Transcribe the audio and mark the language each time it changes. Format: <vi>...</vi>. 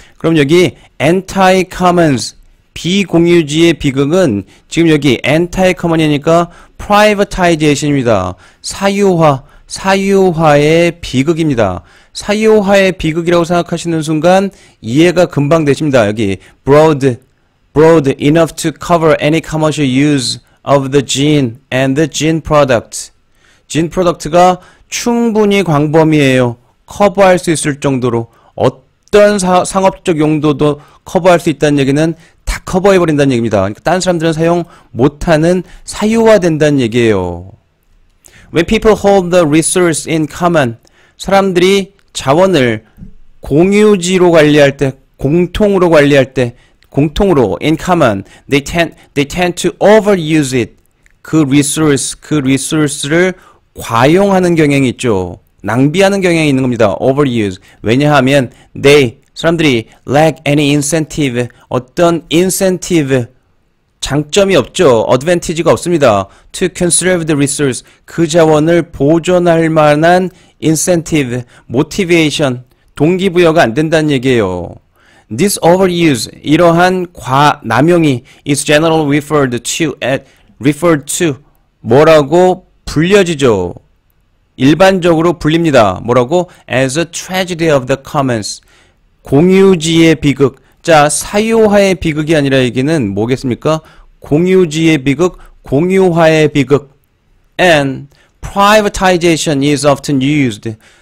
<ko>그럼 여기 anti-commons 비공유지의 비극은 지금 여기 anti-common이니까 privatization입니다. 사유화의 비극입니다. 사유화의 비극이라고 생각하시는 순간 이해가 금방 되십니다.</ko> <en>여기 broad enough to cover any commercial use of the gene and the gene product.</en> <ko>gene product가 충분히 광범위해요. 커버할 수 있을 정도로 어떤 상업적 용도도 커버할 수 있다는 얘기는 다 커버해 버린다는 얘기입니다. 그러니까 다른 사람들은 사용 못하는 사유화 된다는 얘기예요.</ko> <en>When people hold the resource in common,</en> <ko>사람들이 자원을 공유지로 관리할 때, 공통으로</ko> <en>관리할 때, 공통으로 in common, they tend to overuse it.</en> <ko>그 리소스를 과용하는 경향이 있죠. 낭비하는 경향이 있는 겁니다. Overuse. 왜냐하면 사람들이</ko> <en>lack any incentive,</en> <ko>어떤 incentive, 장점이 없죠. Advantage가 없습니다.</ko> <en>To conserve the resource,</en> <ko>그 자원을 보존할 만한 incentive, motivation, 동기부여가 안 된다는 얘기예요.</ko> <en>This overuse,</en> <ko>이러한 남용이</ko> <en>is generally referred to</en> <ko>뭐라고 불려지죠? 일반적으로 불립니다. 뭐라고?</ko> <en>As a tragedy of the commons.</en> <ko>공유지의 비극. 자, 사유화의 비극이 아니라 얘기는 뭐겠습니까? 공유지의 비극, 공유화의 비극.</ko> <en>And privatization is often used.</en>